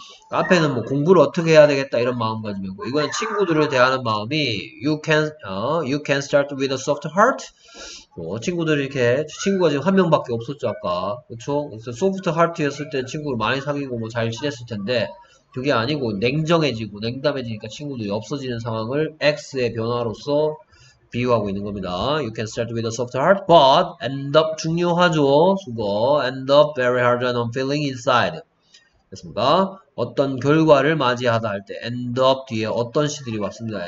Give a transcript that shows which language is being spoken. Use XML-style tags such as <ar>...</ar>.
<ko>앞에는 뭐 공부를 어떻게 해야 되겠다 이런 마음가짐이고 이거는 친구들을 대하는 마음이</ko> <en>you can start with a soft heart.</en> <ko>친구들 이렇게 친구가 지금 한 명밖에 없었죠 아까 그렇죠. 그래서 soft heart였을 때 친구를 많이 사귀고 뭐 잘 지냈을 텐데 그게 아니고 냉정해지고 냉담해지니까 친구들이 없어지는 상황을 X의 변화로서 비유하고 있는 겁니다.</ko> <en>You can start with a soft heart, but end up</en> <ko>중요하죠.</ko> <en>수고 end up very hard and unfeeling inside.</en> <ko>됐습니까? 어떤 결과를 맞이하다 할 때 end up 뒤에 어떤 시들이 왔습니다.</ko>